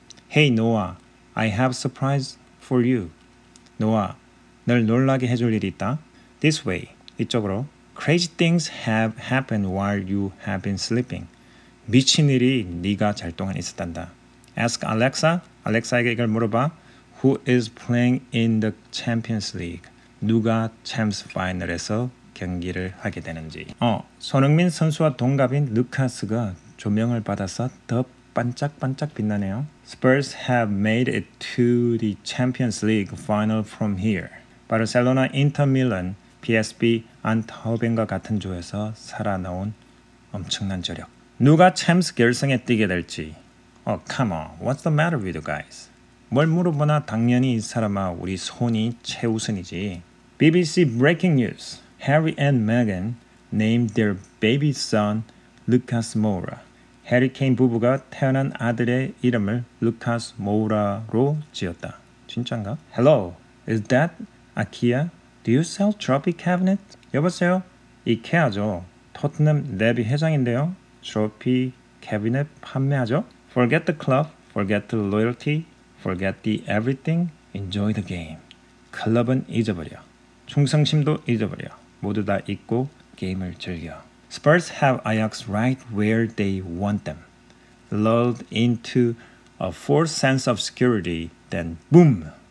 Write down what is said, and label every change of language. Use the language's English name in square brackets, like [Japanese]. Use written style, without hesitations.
[English] Hey, Noah, I have a surprise for you. [Korean] Noah, 널 놀라게 해줄 일이 있다. [English] This way, [Korean] 이쪽으로. [English] Crazy things have happened while you have been sleeping. [Korean] 미친 일이 네가 잘 동안 있었단다. [English] Ask Alexa, [Korean] Alexa에게 이걸 물어봐. [English] Who is playing in the Champions League? [Korean] 누가 챔스 파이널에서 경기를 하게 되는지. 손흥민 선수와 동갑인 루카스가 조명을 받아서 더 반짝반짝 빛나네요. [English] Spurs have made it to the Champions League final from here. [Korean] 바르셀로나, 인터 밀란, PSV 안타우벤과 같은 조에서 살아나온 엄청난 저력. 누가 챔스 결승에 뛰게 될지. [English] Come on. What's the matter with you guys? [Korean] 뭘 물어보나 당연히 이 사람아 우리 손이 최우선이지. [English] BBC Breaking News. Harry and Meghan named their baby son Lucas Moura. [Korean] 해리 케인 부부가 태어난 아들의 이름을 Lucas Moura로 지었다. 진짠가? [English] Hello, is that IKEA? Do you sell trophy cabinet? [Korean] 여보세요? 이케아죠. 토트넘 레비 회장인데요. [English] Trophy cabinet [Korean] 판매하죠? [English] Forget the club, forget the loyalty, forget the everything, enjoy the game. [Korean] 클럽은 잊어버려. 충성심도 잊어버려. 모두 다 잊고 게임을 즐겨. [English] Spurs have Ajax right where they want them. Lulled into a false sense of security, then boom!